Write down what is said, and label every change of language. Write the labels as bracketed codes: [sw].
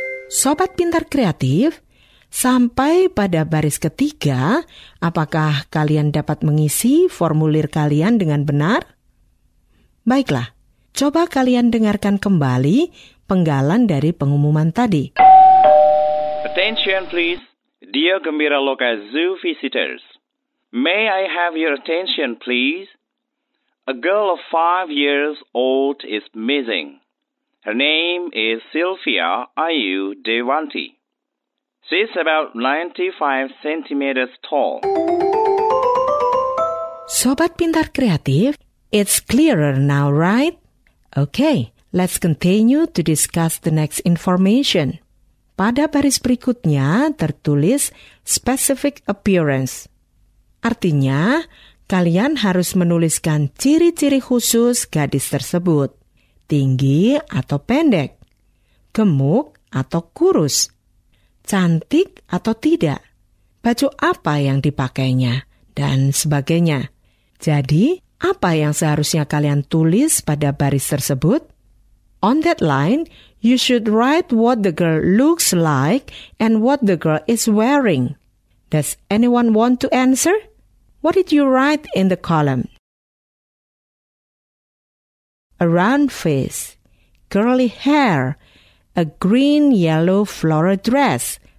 [id] Sobat pintar kreatif, sampai pada baris ketiga, apakah kalian dapat mengisi formulir kalian dengan benar? Baiklah, coba kalian dengarkan kembali penggalan dari pengumuman tadi. [en] Attention please, dear Gembira Loka Zoo visitors. May I have your attention please? A girl of 5 years old is missing. Her name is Sylvia Ayu Devanti. She's about 95 centimeters tall. Sobat pintar kreatif, it's clearer now, right? Okay, let's continue to discuss the next information. [id] Pada baris berikutnya tertulis specific appearance. Artinya, kalian harus menuliskan ciri-ciri khusus gadis tersebut. Tinggi atau pendek, gemuk atau kurus, cantik atau tidak, baju apa yang dipakainya, dan sebagainya. Jadi, apa yang seharusnya kalian tulis pada baris tersebut? [en] On that line, you should write what the girl looks like and what the girl is wearing. Does anyone want to answer? What did you write in the column? A round face, curly hair, a green-yellow floral dress.